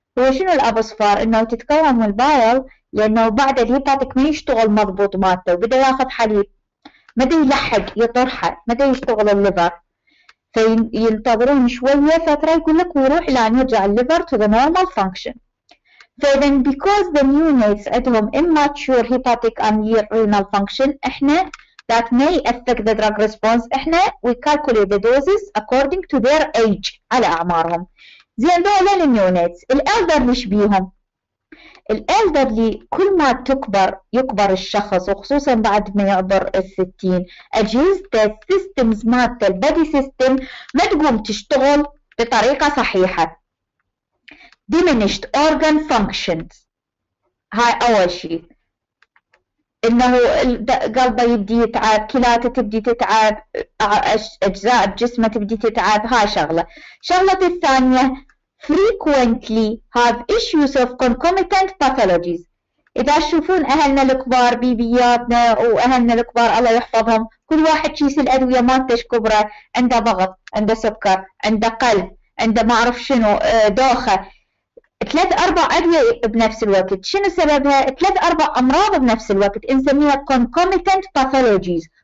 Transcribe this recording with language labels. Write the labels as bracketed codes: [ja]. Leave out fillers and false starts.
[ar] هو شنو الابصفار؟ انه تتكون من البايل لانه بعد الهيباتك ما يشتغل مضبوط مالته وبدأ ياخذ حليب، ما يلحق يطرحه، ما يشتغل الليفر، فينتظرون شوية فترة يقول لك ويروح لان يرجع الليفر [en] to the normal function. فإذن because the neonates [ar] عندهم [en] immature hepatic and renal function إحنا that may affect the drug response، إحنا we calculate the doses according to their age [ar] على أعمارهم. زين دول النيونيتس، الألدر مش بيهم؟ الألدر اللي كل ما تكبر يكبر الشخص وخصوصا بعد ما يعبر الستين، أجهزة السيستمز مالت البدي سيستم ما تقوم تشتغل بطريقة صحيحة. [en] diminished organ functions [ar] هاي أول شيء، إنه قلبه يبدي يتعب، كلاته تبدي تتعب، أجزاء جسمه تبدي تتعب، هاي شغلة. شغلة الثانية [en] frequently have issues of concomitant pathologies. [ar] إذا تشوفون أهلنا الكبار بيبياتنا وأهلنا الكبار الله يحفظهم كل واحد شيء الأدوية ما تش كبرى، عنده ضغط، عنده سكر، عنده قلب، عنده ما أعرف شنو دوخة، ثلاث أربع أدوية بنفس الوقت، شنو سببها؟ ثلاث أربع أمراض بنفس الوقت نسميها [en] concomitant pathologies.